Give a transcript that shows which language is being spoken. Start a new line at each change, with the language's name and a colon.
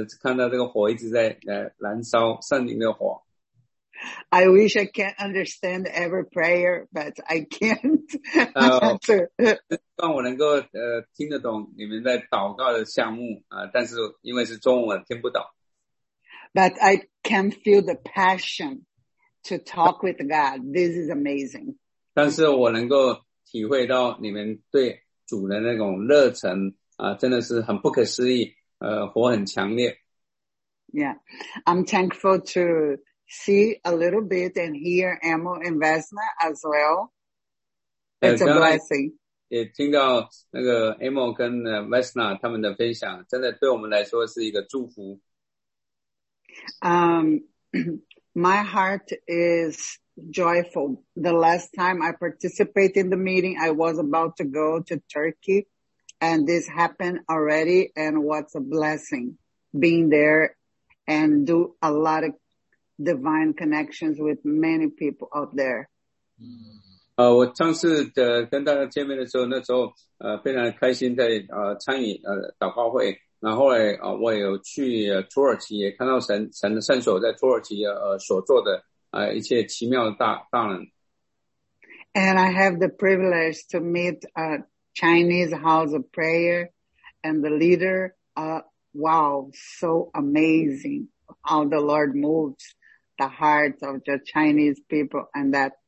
Chinese: 我非常的开心，我能够参加这个祷告会，看到这个火一直在燃烧，圣灵的火。
English: I wish I can understand every prayer, but I can't answer.
Chinese: 希望我能够听得懂你们在祷告的项目，但是因为是中文，听不懂。
English: But I can feel the passion to talk with God. This is amazing.
Chinese: 但是我能够体会到你们对主的那种热忱，真的是很不可思议，火很强烈。
English: Yeah, I'm thankful to see a little bit and hear Emil and Vesna as well. It's a blessing.
Chinese: 也听到那个 Emil 跟 Vesna 他们的分享，真的对我们来说是一个祝福。
English: My heart is joyful. The last time I participated in the meeting, I was about to go to Turkey, and this happened already, and what's a blessing being there and do a lot of divine connections with many people out there. Mm.
Chinese: 我上次跟大家见面的时候，那时候非常开心在参与祷告会，然后我有去土耳其，也看到神的圣手在土耳其所做的一切奇妙的大能。
English: And I have the privilege to meet a Chinese house of prayer and the leader. Wow, so amazing how the Lord moves the hearts of the Chinese people and that.